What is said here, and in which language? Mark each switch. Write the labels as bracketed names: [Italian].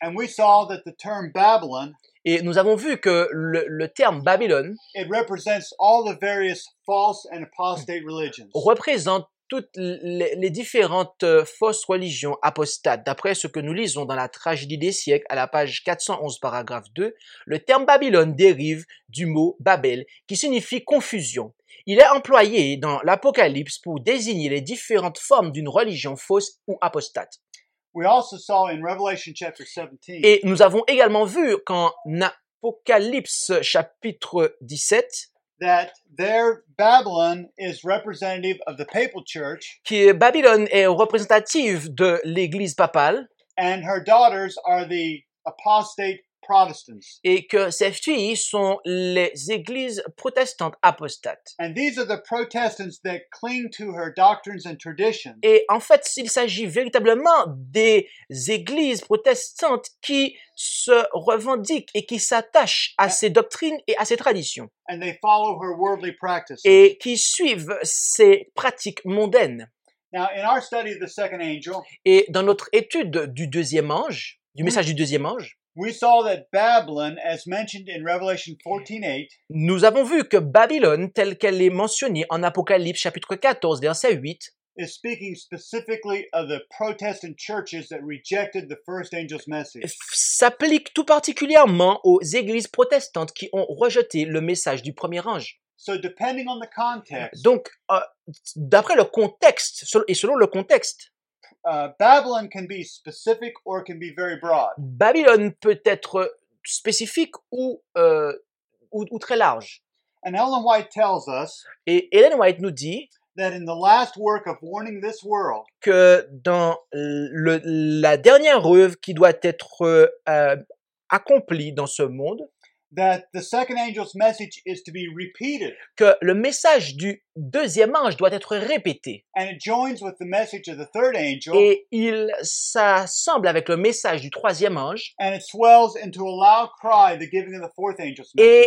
[English] And we saw that the term Babylon, [French] et nous avons vu que le terme Babylone, [English] it represents all the various false and apostate religions. [French] Représente toutes les différentes fausses religions apostates. D'après ce que nous lisons dans la Tragédie des siècles, à la page 411, paragraphe 2, le terme Babylone dérive du mot Babel, qui signifie confusion. Il est employé dans l'Apocalypse pour désigner les différentes formes d'une religion fausse ou apostate. [English] We also saw in Revelation chapter 17, [French] et nous avons également vu qu'en Apocalypse chapitre 17, [English] that there Babylon is representative of the papal church, [French] que Babylone est représentative de l'Église papale, [English] and her daughters are the apostate Protestants. [French] Et que ses filles sont les églises protestantes apostates. [English] And these are the Protestants that cling to her doctrines and traditions. [French] Et en fait, il s'agit véritablement des églises protestantes qui se revendiquent et qui s'attachent à ses doctrines et à ses traditions. [English] And they follow her worldly practices. [French] Et qui suivent ses pratiques mondaines. [English] Now, in our study of the second angel, [French] et dans notre étude du deuxième ange, du message du deuxième ange, [English] we saw that Babylon, as mentioned in Revelation 14:8, [French] nous avons vu que Babylone, telle qu'elle est mentionnée en Apocalypse chapitre 14, verset 8, [English] is speaking specifically of the Protestant churches that rejected the first angel's message. [French] S'applique tout particulièrement aux églises protestantes qui ont rejeté le message du premier ange. [English] So depending on the context, [French] donc d'après le contexte et selon le contexte, [English] Babylon can be specific or can be very broad. [French] Babylon peut être spécifique ou très large. [English] And Ellen White tells us, [French] et Ellen White nous dit, [English] that in the last work of warning this world, [French] que dans la dernière œuvre qui doit être accomplie dans ce monde, [English] that the second angel's message is to be repeated, [French] que le message du deuxième ange doit être répété, [English] and it joins with the message of the third angel, [French] et il s'assemble avec le message du troisième ange, [English] and it swells into a loud cry, the giving of the fourth angel's message,